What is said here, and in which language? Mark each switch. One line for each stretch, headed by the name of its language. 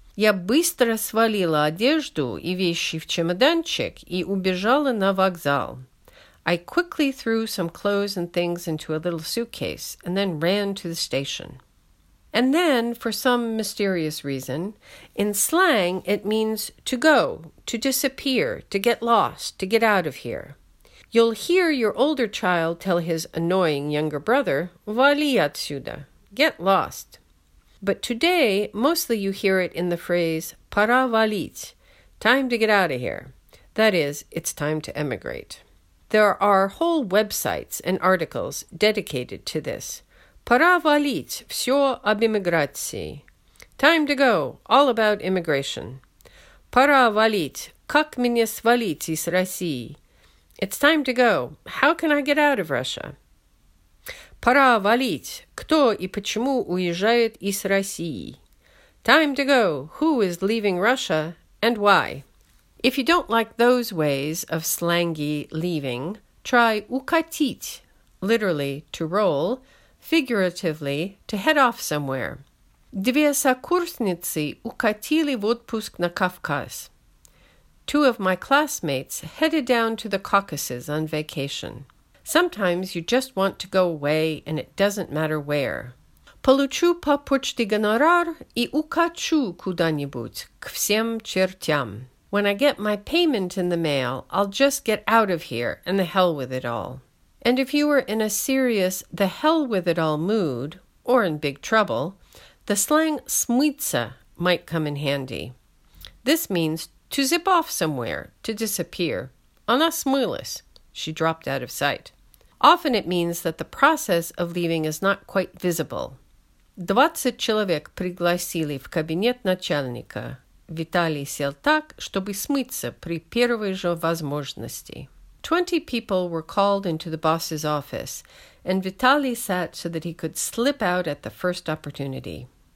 Russian: Я быстро свалила одежду и вещи в чемоданчик и убежала на вокзал.
English: I quickly threw some clothes and things into a little suitcase and then ran to the station. And then, for some mysterious reason, in slang it means to go, to disappear, to get lost, to get out of here. You'll hear your older child tell his annoying younger brother,
Russian: Вали отсюда,
English: get lost. But today, mostly you hear it in the phrase,
Russian: пора валить,
English: time to get out of here. That is, it's time to emigrate. There are whole websites and articles dedicated to this.
Russian: Пора валить все об иммиграции.
English: Time to go. All about immigration.
Russian: Пора валить. Как мне свалить из России?
English: It's time to go. How can I get out of Russia?
Russian: Пора валить. Кто и почему уезжает из России?
English: Time to go. Who is leaving Russia and why? If you don't like those ways of slangy leaving, try укатить, literally to roll, figuratively to head off somewhere.
Russian: Две сокурсницы укатили в отпуск на Кавказ.
English: Two of my classmates headed down to the Caucasus on vacation. Sometimes you just want to go away and it doesn't matter where.
Russian: Получу по почте гонорар и укачу куда-нибудь, к всем чертям.
English: When I get my payment in the mail, I'll just get out of here and the hell with it all. And if you were in a serious the hell with it all mood, or in big trouble, the slang смыться might come in handy. This means to zip off somewhere, to disappear.
Russian: Она смылась.
English: She dropped out of sight. Often it means that the process of leaving is not quite visible.
Russian: 20 человек пригласили в кабинет начальника. Виталий сел так, чтобы смыться при первой же возможности.
English: 20 people were called into the boss's office, and Виталий sat so that he could slip out at the first opportunity.